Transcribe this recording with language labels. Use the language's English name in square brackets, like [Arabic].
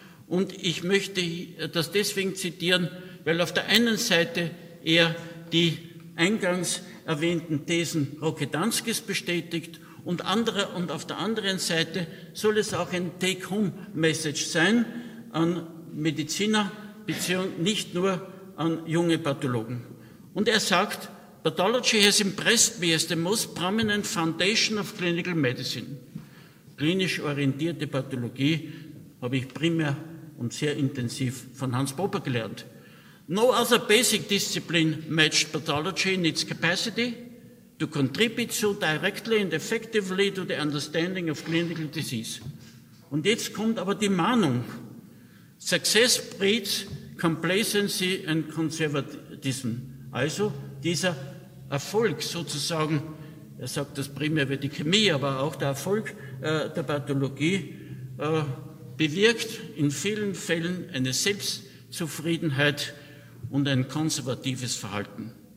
[German] Und ich möchte das deswegen zitieren, weil auf der einen Seite er die eingangs erwähnten Thesen Roketanskis bestätigt und auf der anderen Seite soll es auch ein Take-Home-Message sein an Mediziner beziehungsweise nicht nur an junge Pathologen. Und er sagt, [English] Pathology has impressed me as the most prominent foundation of clinical medicine. [German] Klinisch orientierte Pathologie habe ich primär und sehr intensiv von Hans Popper gelernt. [English] No other basic discipline matched pathology in its capacity to contribute so directly and effectively to the understanding of clinical disease. [German] Und jetzt kommt aber die Mahnung. [English] Success breeds complacency and conservatism. [German] Also dieser Erfolg sozusagen, er sagt das primär über die Chemie, aber auch der Erfolg der Pathologie, bewirkt in vielen Fällen eine Selbstzufriedenheit und ein konservatives Verhalten.